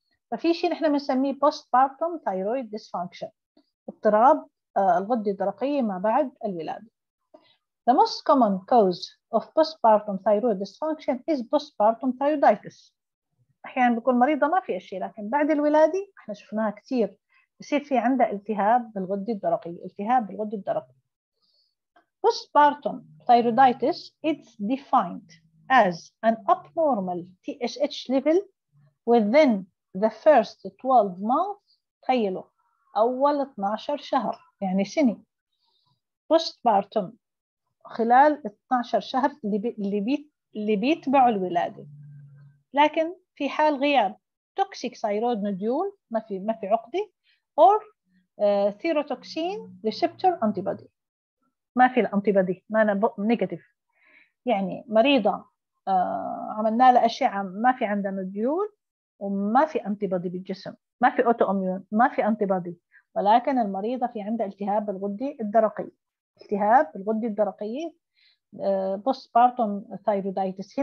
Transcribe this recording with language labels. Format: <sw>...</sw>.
<ar>ففي شيء نحن بنسميه بوست بارتوم ثايرويد ديسفانكشن، اضطراب الغدة الدرقية ما بعد الولادة.</ar> <en>The most common cause of postpartum thyroid dysfunction is postpartum thyroiditis.</en> <ar>أحيانا بيكون مريضة ما في شيء، لكن بعد الولادة احنا شفناها كثير، بصير في عندها التهاب بالغدة الدرقية، التهاب بالغدة الدرقية.</ar> <en>Postpartum thyroiditis is defined as an abnormal TSH level within the first 12 months.</en> <ar>تخيلوا أول 12 شهر يعني سنة. Postpartum خلال 12 شهر اللي بيتبعوا الولادة. لكن في حال غياب توكسيك ثايرويد نوديول ما في عقدة اور ثيروتوكسين ريسبتور انتيبادي، ما في الانتيبادي ما انا نيجاتيف، يعني مريضة عملنا لها أشعة ما في عندها نوديول وما في انتيبادي بالجسم، ما في اوتو اميون، ما في انتيبادي، ولكن المريضة في عندها التهاب بالغدة الدرقية، التهاب الغدة الدرقية postpartum thyroiditis.</ar>